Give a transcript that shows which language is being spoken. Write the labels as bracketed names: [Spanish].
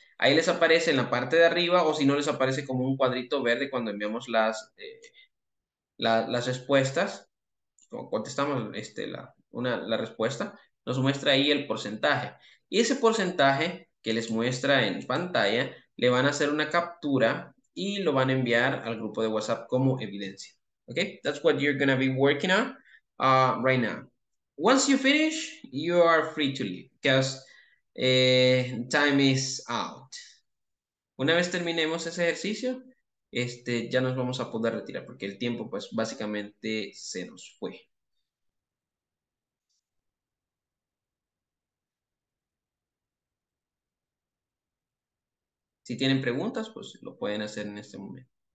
[Spanish] Ahí les aparece en la parte de arriba, o si no, les aparece como un cuadrito verde cuando enviamos las respuestas. Contestamos la respuesta, nos muestra ahí el porcentaje. Y ese porcentaje que les muestra en pantalla, le van a hacer una captura y lo van a enviar al grupo de WhatsApp como evidencia. [English] Ok, that's what you're going to be working on right now. Once you finish, you are free to leave because time is out. [Spanish] Una vez terminemos ese ejercicio, ya nos vamos a poder retirar porque el tiempo, pues, básicamente se nos fue. Si tienen preguntas, pues, lo pueden hacer en este momento.